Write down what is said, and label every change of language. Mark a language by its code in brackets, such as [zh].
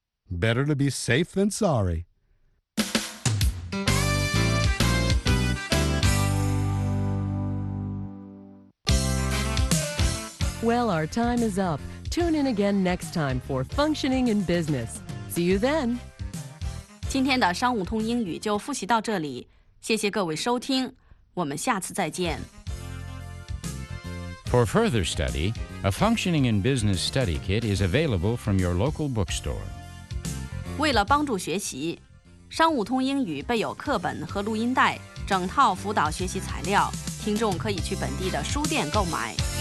[en] Better to be safe than sorry. Well, our time is up. Tune in again next time for Functioning in Business. See you then. [zh] 今天的商务通英语就复习到这里，谢谢各位收听，我们下次再见。 [en] For further study, a Functioning in Business study kit is available from your local bookstore. [zh] 为了帮助学习, 商务通英语备有课本和录音带，整套辅导学习材料，听众可以去本地的书店购买。